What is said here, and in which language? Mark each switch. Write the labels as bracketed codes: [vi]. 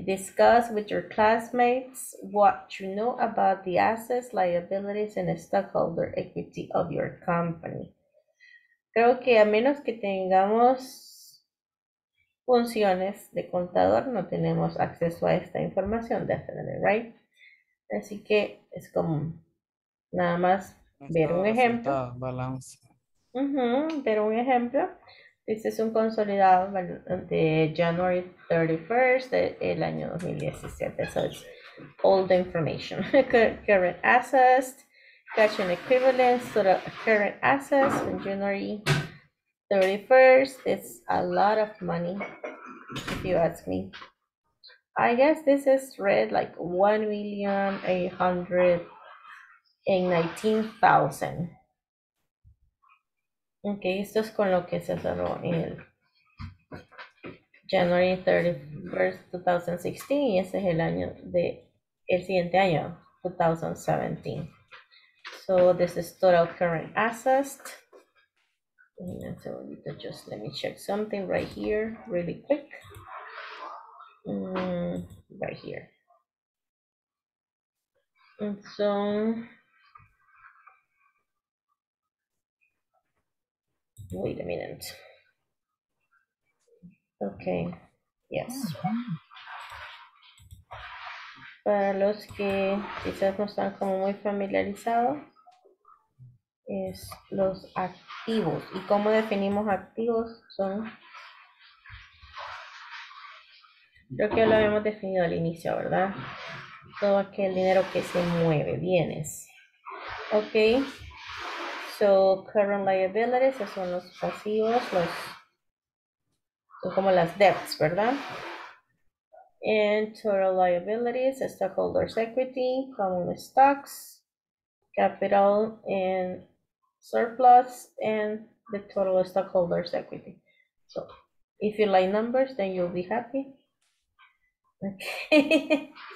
[en] Discuss with your classmates what you know about the assets, liabilities, and stockholder equity of your company. [es] Creo que a menos que tengamos funciones de contador, no tenemos acceso a esta información, [en] definitely, right? [es] Así que es como nada más ver un ejemplo. Balance. Ver un ejemplo. Este es un consolidado de [en] January 31st [es] del año 2017. [en] So all the information. Current assets, cash and equivalents, total current assets on January 31st. It's a lot of money, if you ask me. I guess this is read like 1,819,000. [es] Okay, esto es con lo que se cerró el [en] January 31st, [es] 2016, y ese es el año de, el siguiente año, 2017. [en] So, this is total current assets. So, just let me check something right here, really quick. Right here. And so, wait a minute. Okay, yes. [es] Para los que quizás no están como muy familiarizados, es los activos. ¿Y cómo definimos activos? Son, creo que ya lo habíamos definido al inicio, ¿verdad? Todo aquel dinero que se mueve, bienes. Okay. [en] So, current liabilities, [es] esos son los pasivos, los, son como las [en] debts, [es] ¿verdad? [en] And total liabilities, stockholders' equity, common stocks, capital and surplus, and the total stockholders' equity. So, if you like numbers, then you'll be happy. Okay.